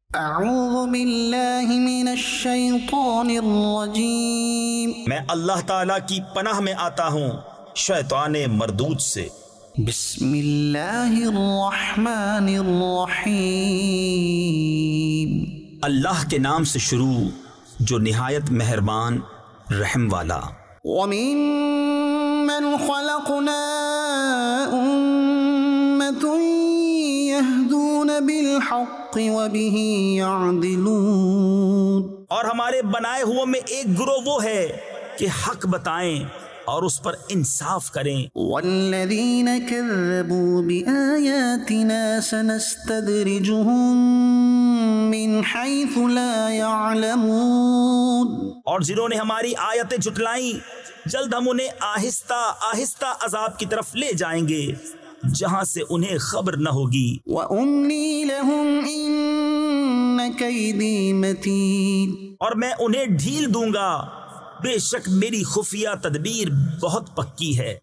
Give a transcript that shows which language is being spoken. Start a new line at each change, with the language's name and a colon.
Arabic: أعوذ بالله من الشيطان الرجيم
Urdu: میں اللہ تعالیٰ کی پناہ میں آتا ہوں شیطان مردود سے
Arabic: بسم اللہ الرحمن الرحیم
Urdu: اللہ کے نام سے شروع جو نہایت مہربان رحم والا
Arabic: وممن خلقنا امت یهدون بالحق وبه يعدلون
Urdu: اور ہمارے بنائے ہوئے میں ایک گروہ وہ ہے کہ حق بتائیں اور اس پر انصاف کریں
Arabic: والذین كذبوا بآیاتنا سنستدرجهم من حيث لا يعلمون
Urdu: اور جنہوں نے ہماری آیتیں جھٹلائیں جلد ہم انہیں آہستہ آہستہ عذاب کی طرف لے جائیں گے جہاں سے انہیں خبر نہ ہوگی
Arabic: وَأُمْنِي لَهُمْ إِنَّ كَيْدِي مَتِين
Urdu: اور میں انہیں ڈھیل دوں گا بے شک میری خفیہ تدبیر بہت پکی ہے